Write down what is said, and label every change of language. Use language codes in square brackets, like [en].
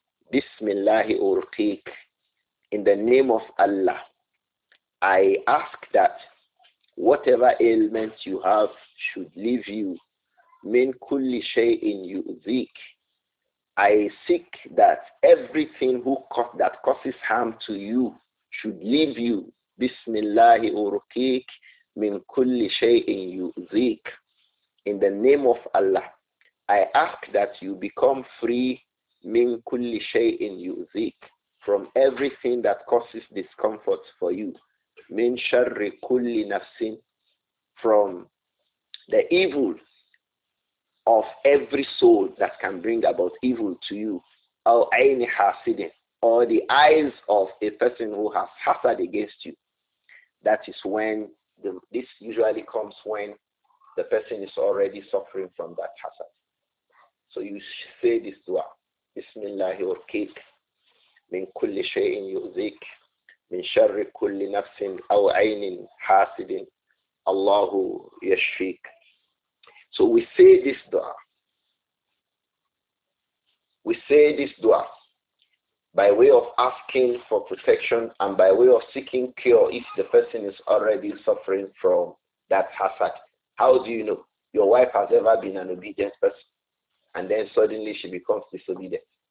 [ar] Bismillahi urqiq. [en] In the name of Allah, I ask that whatever ailment you have should leave you [ar] من كل شيء يؤذيك. [en] I seek that everything that causes harm to you should leave you. [ar] بسم الله أرقيك من كل شيء يؤذيك. [en] In the name of Allah, I ask that you become free [ar] من كل شيء يؤذيك. [en] From everything that causes discomfort for you. [ar] من شر كل نفس. [en] From the evil of every soul that can bring about evil to you. [ar] أو عين حاسد. [en] Or the eyes of a person who has hasad against you. That is when this usually comes when the person is already suffering from that hasad. So you say this dua. [ar] Bismillah urkik. من كل شيء يؤذيك من شر كل نفس أو عين حاسد الله يشفيك. [en] So we say this dua. We say this dua by way of asking for protection and by way of seeking cure if the person is already suffering from that hasad. How do you know? Your wife has ever been an obedient person and then suddenly she becomes disobedient.